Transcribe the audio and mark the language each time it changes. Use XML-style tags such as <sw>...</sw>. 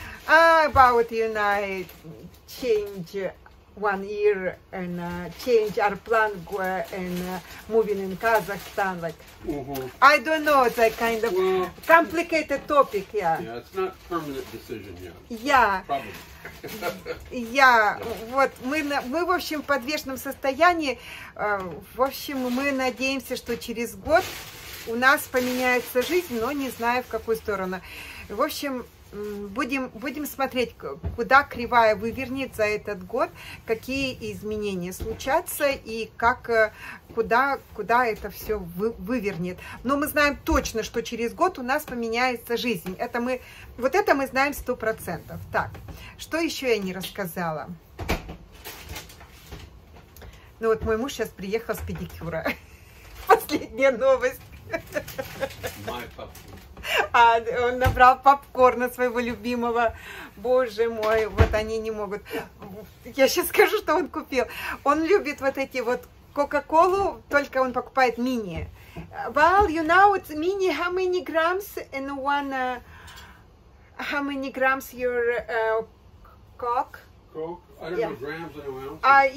<en>About you and I change 1 year and change our plan and moving in Kazakhstan. Like, uh-huh. I don't know, it's a kind of complicated topic, yeah. Yeah, it's not a permanent decision yet. Yeah. Probably.</en> <ru>Я, вот, мы, в общем, в подвешенном состоянии. В общем, мы надеемся, что через год у нас поменяется жизнь, но не знаю, в какую сторону. В общем, будем смотреть, куда кривая вывернет за этот год, какие изменения случатся и как, куда это все вывернет. Но мы знаем точно, что через год у нас поменяется жизнь. Это мы знаем 100%. Так, что еще я не рассказала? Ну вот мой муж сейчас приехал с педикюра. Последняя новость. Он набрал попкорна своего любимого. Боже мой, вот они не могут. Я сейчас скажу, что он купил. Он любит вот эти вот Кока-Колу, только он покупает мини.</ru> <en>Well, you know, it's mini, how many grams in one... How many grams your Coke? Coke? I don't know grams, I don't know ounces.</en>